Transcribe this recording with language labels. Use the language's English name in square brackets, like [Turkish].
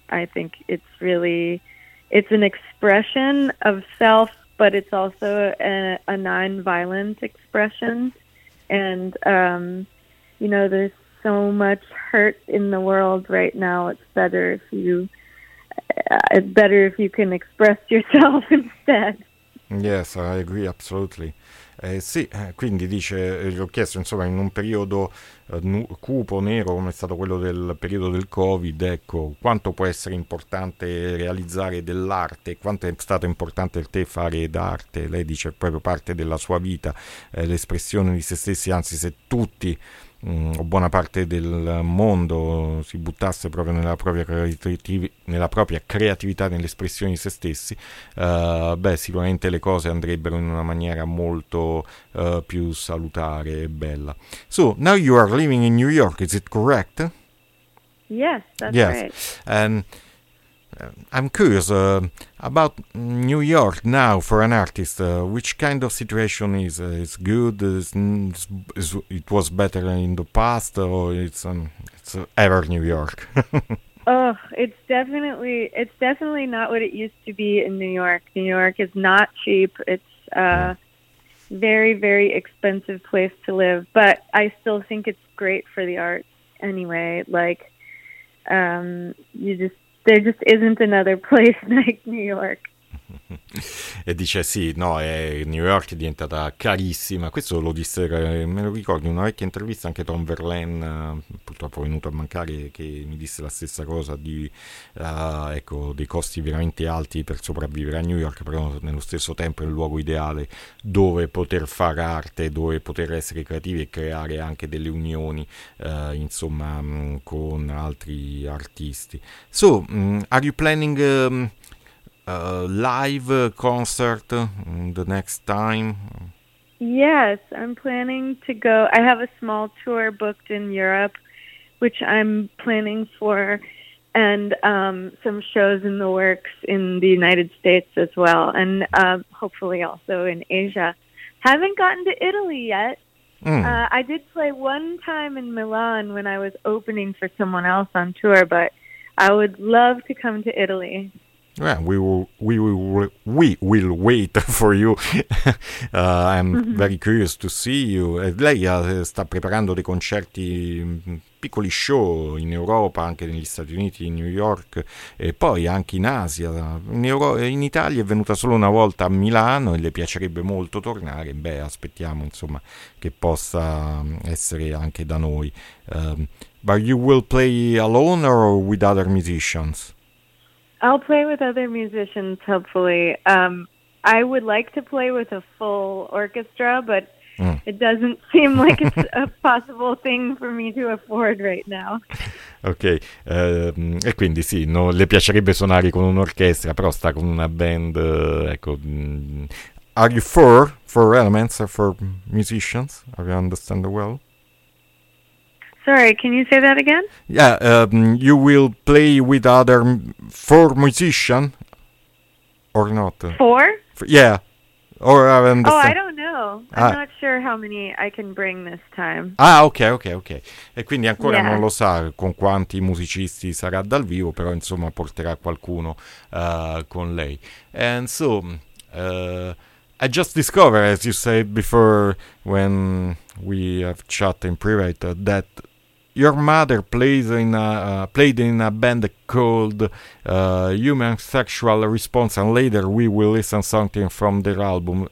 [English] I think it's really, it's an expression of self, but it's also a non-violent expression. And, you know, there's so much hurt in the world right now. It's better if you, better if you can express yourself instead. Yes, I agree absolutely. [Italian] Sì, quindi dice, gli ho chiesto, insomma, in un periodo cupo, nero, come è stato quello del periodo del Covid, ecco, quanto può essere importante realizzare dell'arte, quanto è stato importante per te fare d'arte. Lei dice, è proprio parte della sua vita, l'espressione di se stessi, anzi, se tutti o buona parte del mondo si buttasse proprio nella propria creatività, nell'espressione di se stessi, sicuramente le cose andrebbero in una maniera molto più salutare e bella. [English] So, now you are living in New York, is it correct? Yes, that's right. And I'm curious about New York now for an artist. Which kind of situation is good? It was better in the past, or it's ever New York? Oh, it's definitely not what it used to be in New York. New York is not cheap. It's very, very expensive place to live. But I still think it's great for the arts anyway. Like, there just isn't another place like New York. [Italian] E dice sì, no, New York è diventata carissima. Questo lo disse, me lo ricordo, in una vecchia intervista anche Tom Verlaine, purtroppo è venuto a mancare, che mi disse la stessa cosa di dei costi veramente alti per sopravvivere a New York, però nello stesso tempo è il luogo ideale dove poter fare arte, dove poter essere creativi e creare anche delle unioni insomma con altri artisti. [English] So, are you planning live concert the next time? Yes, I'm planning to go. I have a small tour booked in Europe, which I'm planning for, and some shows in the works in the United States as well, and hopefully also in Asia. Haven't gotten to Italy yet. I did play one time in Milan when I was opening for someone else on tour, but I would love to come to Italy. Well, we will wait for you. I'm very curious to see you. [Italian] Lei sta preparando dei concerti, piccoli show in Europa, anche negli Stati Uniti, in New York e poi anche in Asia. In Italia è venuta solo una volta a Milano e le piacerebbe molto tornare. Beh, aspettiamo insomma che possa essere anche da noi. [English] But you will play alone or with other musicians? I'll play with other musicians, hopefully. I would like to play with a full orchestra, but it doesn't seem like it's a possible thing for me to afford right now. [Italian] Ok, e quindi sì, no, le piacerebbe suonare con un'orchestra, però sta con una band, ecco. [English] Are you four elements or four musicians? Are you understand well? Sorry, can you say that again? Yeah, you will play with other four musicians or not? Four? Yeah. Or I don't know. Ah. I'm not sure how many I can bring this time. Ah, ok. [Italian] E quindi ancora non lo sa con quanti musicisti sarà dal vivo, però insomma porterà qualcuno con lei. [English] And so, I just discovered, as you said before, when we have chatted in private, that your mother played in a band called Human Sexual Response, and later we will listen something from their album.